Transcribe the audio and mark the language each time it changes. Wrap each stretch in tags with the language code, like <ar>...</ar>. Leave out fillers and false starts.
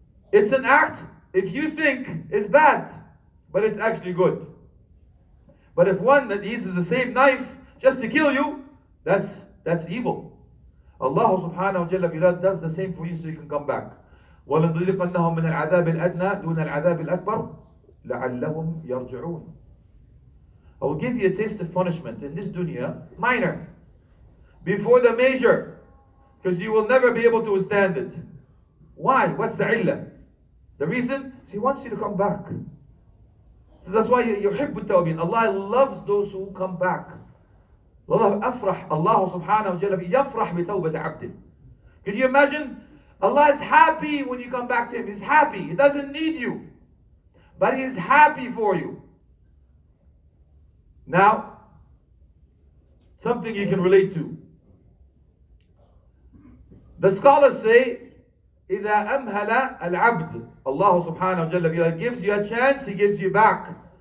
<en>It's an act, if you think, is bad, but it's actually good. But if one that uses the same knife just to kill you, that's evil.</en> <ar>الله سبحانه وجل في الله</ar> <en>does the same for you so you can come back.</en> <ar>ولنذيقنهم من العذاب الأدنى دون العذاب الأكبر لعلهم يرجعون.</ar> <en>I will give you a taste of punishment in this dunya, minor, before the major, because you will never be able to withstand it. Why? What's the illa? The reason? He wants you to come back. So that's why</en> <ar>يحب التوابين.</ar> <en>Allah loves those who come back.</en> <ar>الله أفرح الله سبحانه وجل يفرح بتوبة عبده.</ar> <en>Can you imagine? Allah is happy when you come back to Him. He's happy. He doesn't need you. But He's happy for you. Now, something you can relate to. The scholars say,</en> <ar>إِذَا أَمْهَلَ الْعَبْدِ</ar> <en>Allah subhanahu wa ta'ala, if He gives you a chance, He gives you back.</en>